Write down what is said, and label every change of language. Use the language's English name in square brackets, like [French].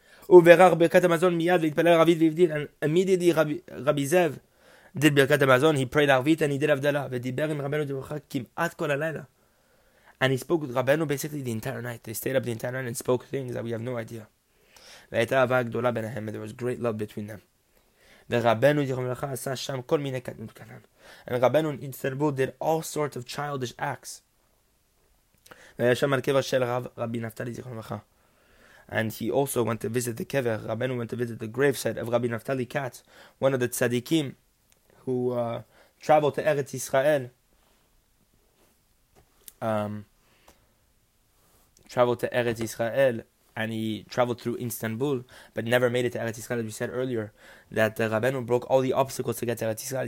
[English] And immediately Rabbi Zev did Birkat HaMazon, he prayed Arvit and he did Avdalah. And he spoke with Rabbeinu basically the entire night. They stayed up the entire night and spoke things that we have no idea. There was great love between them. [Hebrew] ורבנו זכרונו לברכה עשה שם כל מיני קטנות קטן. [English] And רבנו in Istanbul did all sorts of childish acts. [Hebrew] והיה שם על קבר של רבי נפתלי זכרונו לברכה. [English] And he also went to visit the kever. Rabbeinu went to visit the gravesite of Rabbi Naftali Katz, one of the tzaddikim who traveled to Eretz Yisrael. Traveled to Eretz Yisrael, and he traveled through Istanbul, but never made it to Eretz Yisrael. As we said earlier, that Rabbeinu broke all the obstacles to get to Eretz Yisrael.